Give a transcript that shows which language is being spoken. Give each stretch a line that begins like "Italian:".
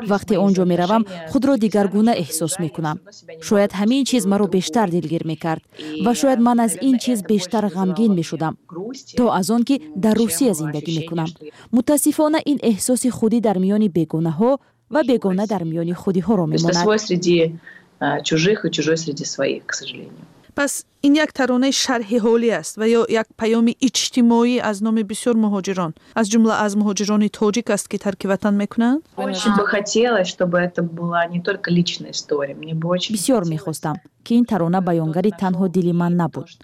Persian: وقتی آنجا می‌روم خود را دیگرگونه احساس میکنم. شاید همین چیز مرا بیشتر دلگیر میکرد و شاید من از این چیز بیشتر غمگین میشدم تا از آن که در روسیه زندگی میکنم. متاسفانه این احساس خودی در میان بیگانه ها و بیگانه در میان خودی ها را میماند.
Russian: чужих и чужой среди своих, к сожалению.
Persian: Пас این یک ترانه شرحی حالی است و یا یک پیام اجتماعی از نام بسیار مهاجران از جمله از مهاجران تاجیک است که ترک وطن میکنند. بسیار میخواستم که این ترانه بیانگری تنها دلی من نبود.